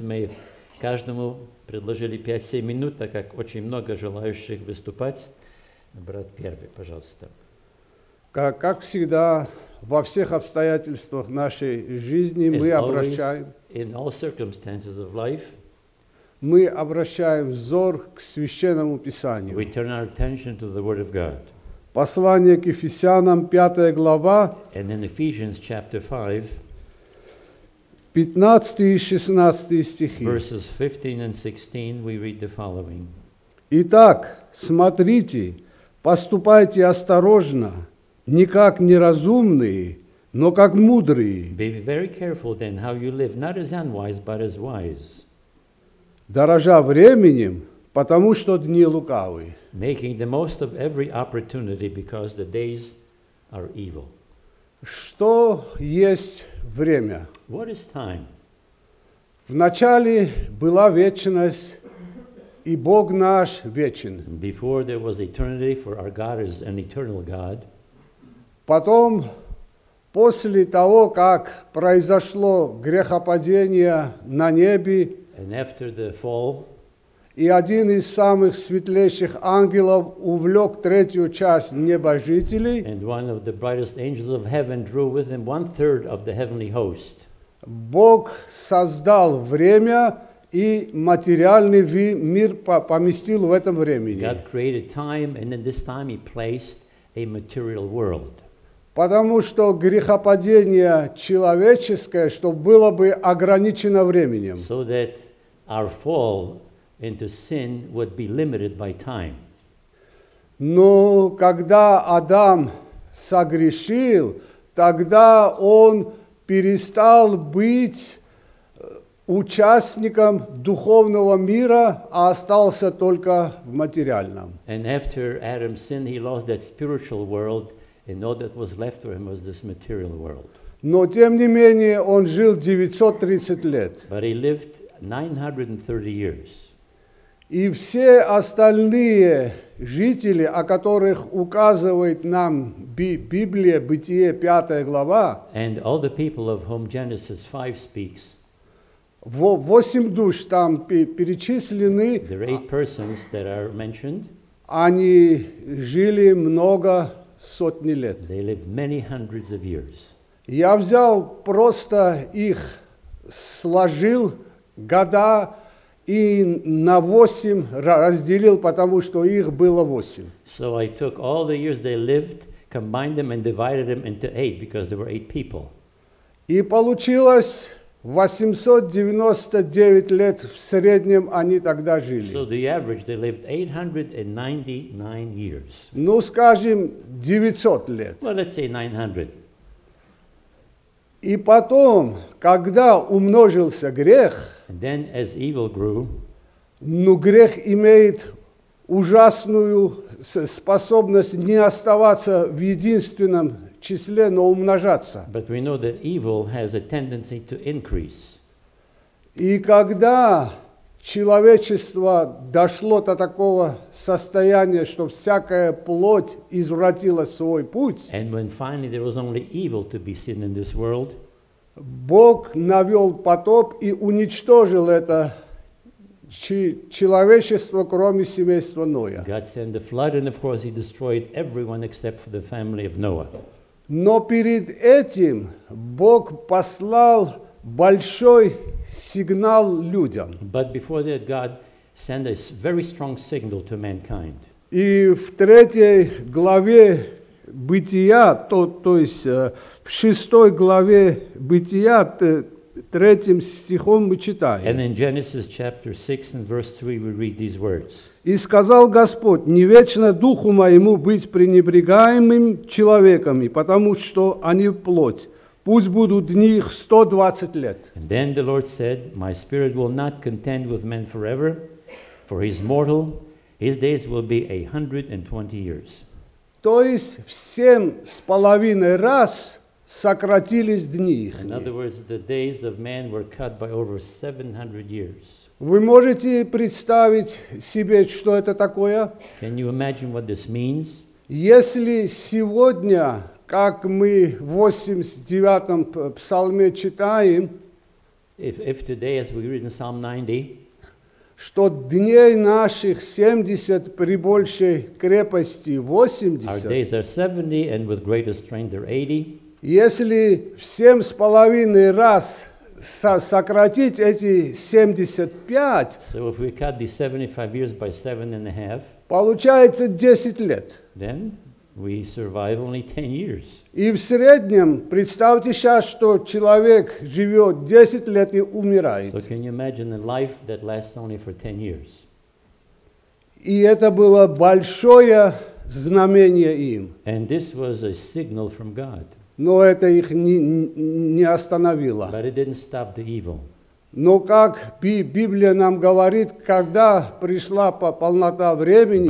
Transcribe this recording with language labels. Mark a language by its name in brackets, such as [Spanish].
[Russian] Мы каждому предложили 5-7 минут, так как очень много желающих выступать. Брат первый, пожалуйста. Как всегда, во всех обстоятельствах нашей жизни мы обращаем... [English] In all circumstances of life, [Russian] мы обращаем взор к Священному Писанию. [English] We turn our attention to the Word of God. [Russian] Послание к Ефесянам, 5 глава, [English] and in Ephesians chapter 5, [Russian] 15 и 16 стихи. [English] Verses 15 and 16, we read the following. [Russian] Итак, смотрите, поступайте осторожно, не как неразумные, но как мудрые. [English] Be very careful then how you live, not as unwise, but as wise. [Russian] Дорожа временем, потому что дни лукавы. [English] Making the most of every opportunity because the days are evil. [Russian] Что есть время? [English] What is time? [Russian] Вначале была вечность, и Бог наш вечен. [English] Before there was eternity, for our God is an eternal God. [Russian] Потом, после того, как произошло грехопадение на небе, [English] and after the fall, [Russian] и один из самых светлейших ангелов увлек третью часть небожителей, [English] and one of the brightest angels of heaven drew with him one third of the heavenly host. [Russian] Бог создал время, и материальный мир поместил в этом времени. [English] God created time, and in this time he placed a material world. [Russian] Потому что грехопадение человеческое, что было бы ограничено временем. [English] So that our fall into sin would be limited by time. [Russian] Но когда Адам согрешил, тогда он перестал быть участником духовного мира, а остался только в материальном. [English] And after Adam sinned, he lost that spiritual world. And all that was left for him was this material world. [Russian] Но тем не менее он жил 930 лет. [English] But he lived 930 years. [Russian] И все остальные жители, о которых указывает нам Библия, Бытие, 5 глава. [English] And all the people of whom Genesis 5 speaks. [Russian] 8 душ там перечислены. [English] There are 8 persons that are mentioned. [Russian] Они жили много сотни лет. [English] They lived many hundreds of years. [Russian] Я взял просто их, сложил года и на 8 разделил, потому что их было 8. [English] So I took all the years they lived, combined them and divided them into 8, because there were 8 people. [Russian] И получилось 899 лет в среднем они тогда жили. [English] So the average, they lived 899 years. [Russian] Ну, скажем, 900 лет. [English] Well, let's say 900. [Russian] И потом, когда умножился грех, [English] and then as evil grew, [Russian] ну, грех имеет ужасную способность не оставаться в единственном числе, но умножаться. [English] But we know that evil has a tendency to increase. [Russian] И когда человечество дошло до такого состояния, что всякая плоть извратила свой путь, [English] and when finally there was only evil to be seen in this world, [Russian] Бог навел потоп и уничтожил это человечество, кроме семейства Ноя. [English] God sent the flood, and of course he destroyed everyone except for the family of Noah. [Russian] Но перед этим Бог послал большой сигнал людям. [English] But before that, God sent a very strong signal to mankind. [Russian] И в третьей главе Бытия, то есть в шестой главе Бытия, третьим стихом мы читаем. [English] And in Genesis chapter 6 and verse 3 we read these words. [Russian] И сказал Господь: не вечно духу моему быть пренебрегаемым человеками, потому что они плоть. Пусть будут дни их 120 лет. [English] And then the Lord said, my spirit will not contend with men forever, for he is mortal, his days will be 120 years. [Russian] То есть в 7.5 раз сократились дни их. [English] In other words, the days of man were cut by over 700 years. [Russian] Вы можете представить себе, что это такое? [English] Can you imagine what this means? [Russian] Если сегодня, как мы в 89-м псалме читаем, [English] if today, as we read in Psalm 90, [Russian] что дней наших 70 при большей крепости 80, [English] our days are 70 and with greater strength they're 80, [Russian] если в 7.5 раз сократить эти 75, [English] so if we cut the 75 years by 7.5, [Russian] получается 10 лет. [English] Then we survive only 10 years. [Russian] И в среднем, представьте сейчас, что человек живет 10 лет и умирает. [English] So can you imagine a life that lasts only for 10 years? [Russian] И это было большое знамение им. [English] And this was a signal from God. [Russian] Но это их не остановило. [English] But it didn't stop the evil. [Russian] Но как Библия нам говорит, когда пришла полнота времени,